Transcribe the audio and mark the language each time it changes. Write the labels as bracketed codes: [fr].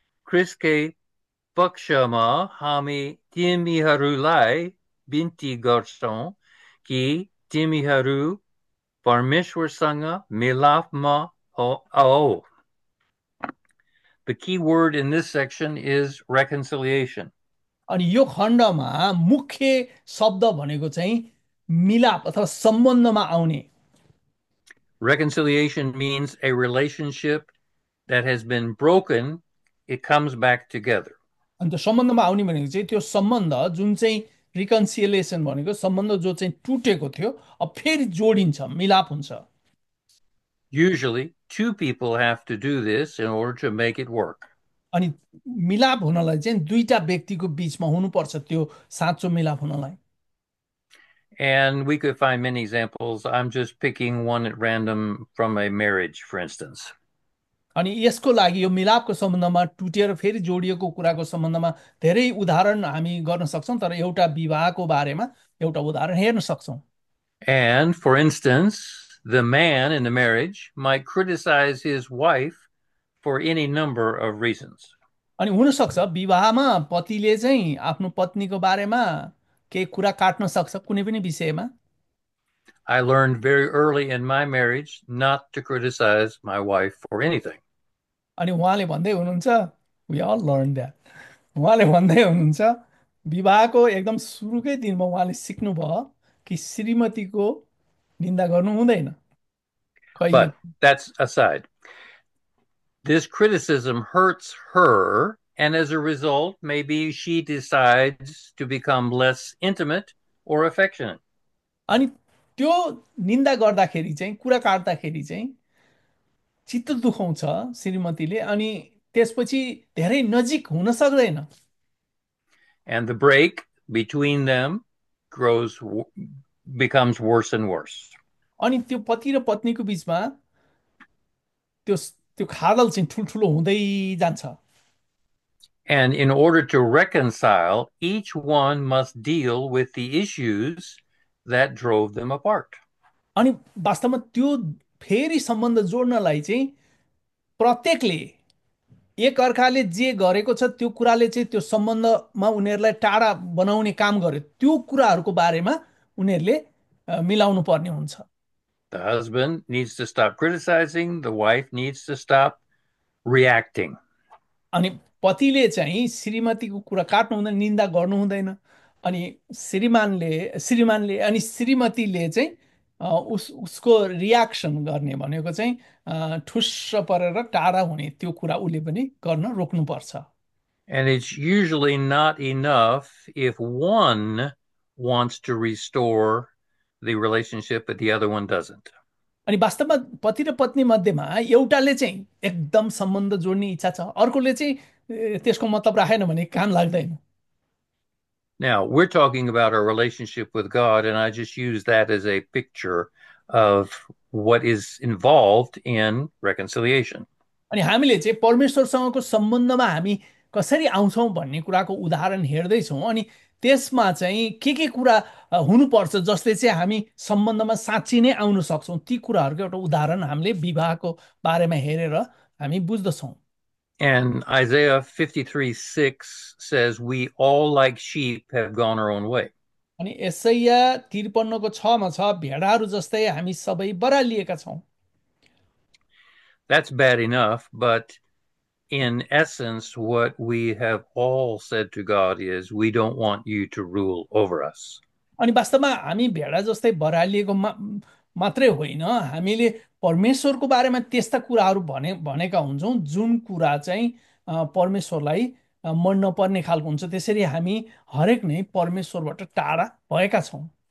[ne] ख्रिस्टकै पक्षमा हामी तिमीहरूलाई बिन्ती गर्छौँ कि तिमीहरू परमेश्वरसँग मिलापमा आओ. [en] The key word in this section is reconciliation. [ne] अनि यो खण्डमा मुख्य शब्द भनेको चाहिँ मिलाप अथवा सम्बन्धमा आउने। [en] Reconciliation means a relationship that has been broken, it comes back together. [ne] अन्त सम्बन्धमा आउने भनेको चाहिँ त्यो सम्बन्ध जुन चाहिँ रिकन्सिलिएसन भनेको सम्बन्ध जो चाहिँ टुटेको थियो अब फेरि जोडिन्छ, मिलाप हुन्छ। [en] Usually, two people have to do this in order to make it work. [ne] अनि मिलाप हुनलाई चाहिँ दुईटा व्यक्तिको बिचमा हुनुपर्छ त्यो साँचो मिलाप हुनलाई। [en] And we could find many examples. I'm just picking one at random from a marriage, for instance. [ne] अनि यसको लागि यो मिलापको सम्बन्धमा टुटेर फेरि जोडिएको कुराको सम्बन्धमा धेरै उदाहरण हामी गर्न सक्छौँ, तर एउटा विवाहको बारेमा एउटा उदाहरण हेर्न सक्छौँ। [en] And for instance, the man in the marriage might criticize his wife for any number of reasons. [ne] अनि हुनसक्छ विवाहमा पतिले चाहिँ आफ्नो पत्नीको बारेमा केही कुरा काट्न सक्छ कुनै पनि विषयमा। [en] I learned very early in my marriage not to criticize my wife for anything. [ne] अनि उहाँले भन्दै हुनुहुन्छ, [en] we all learn that, [ne] उहाँले भन्दै हुनुहुन्छ विवाहको एकदम सुरुकै दिनमा उहाँले सिक्नुभयो कि श्रीमतीको निन्दा गर्नु हुँदैन कहिले [en] But [ne] पनि। [en] that's aside. This criticism hurts her, and as a result, maybe she decides to become less intimate or affectionate. [ne] अनि त्यो निन्दा गर्दाखेरि चाहिँ कुरा काट्दाखेरि चाहिँ चित्त दुखाउँछ श्रीमतीले, अनि त्यसपछि धेरै नजिक हुन सक्दैन। [en] And the break between them grows, becomes worse and worse. [ne] अनि त्यो पति र पत्नीको बिचमा त्यो त्यो खाडल चाहिँ ठुल्ठुलो हुँदै जान्छ। [en] And in order to reconcile, each one must deal with the issues that drove them apart. [ne] अनि वास्तवमा त्यो फेरि सम्बन्ध जोड्नलाई चाहिँ प्रत्येकले एक अर्काले जे गरेको छ त्यो कुराले चाहिँ त्यो सम्बन्धमा उनीहरूलाई टाढा बनाउने काम गर्यो, त्यो कुराहरूको बारेमा उनीहरूले मिलाउनु पर्ने हुन्छ। [en] The husband needs to stop criticizing, the wife needs to stop reacting. [ne] अनि पतिले चाहिँ श्रीमतीको कुरा काट्नु हुँदैन, निन्दा गर्नु हुँदैन, अनि श्रीमानले अनि श्रीमतीले चाहिँ उसको रियाक्सन गर्ने भनेको चाहिँ ठुस परेर टाढा हुने, त्यो कुरा उसले पनि गर्न रोक्नुपर्छ। [en] And it's usually not enough if one wants to restore the relationship, but the other one doesn't. [ne] अनि वास्तवमा पति र पत्नी मध्येमा एउटाले चाहिँ एकदम सम्बन्ध जोड्ने इच्छा छ, अर्कोले चाहिँ त्यसको मतलब राखेन भने काम लाग्दैन। [en] Now, we're talking about our relationship with God, and I just use that as a picture of what is involved in reconciliation. [ne] अनि हामीले चाहिँ परमेश्वरसँगको सम्बन्धमा हामी कसरी आउँछौँ भन्ने कुराको उदाहरण हेर्दैछौँ, अनि त्यसमा चाहिँ के कुरा हुनुपर्छ जसले चाहिँ हामी सम्बन्धमा साँच्ची नै आउन सक्छौँ, ती कुराहरूको एउटा उदाहरण हामीले विवाहको बारेमा हेरेर हामी बुझ्दछौँ। [en] And Isaiah 53:6 says, "We all like sheep have gone our own way." [ne] अनि यसैया 53:6 छ, भेडाहरू जस्तै हामी सबै बरालिएका छौँ। [en] That's bad enough, but in essence, what we have all said to God is, "We don't want you to rule over us." [ne] अनि वास्तवमा हामी भेडा जस्तै बरालिएको मात्रै होइन, हामीले परमेश्वरको बारेमा त्यस्ता कुराहरू भनेका हुन्छौँ जुन कुरा चाहिँ परमेश्वरलाई मन नपर्ने खालको हुन्छ, त्यसरी हामी हरेक नै परमेश्वरबाट टाढा भएका छौँ।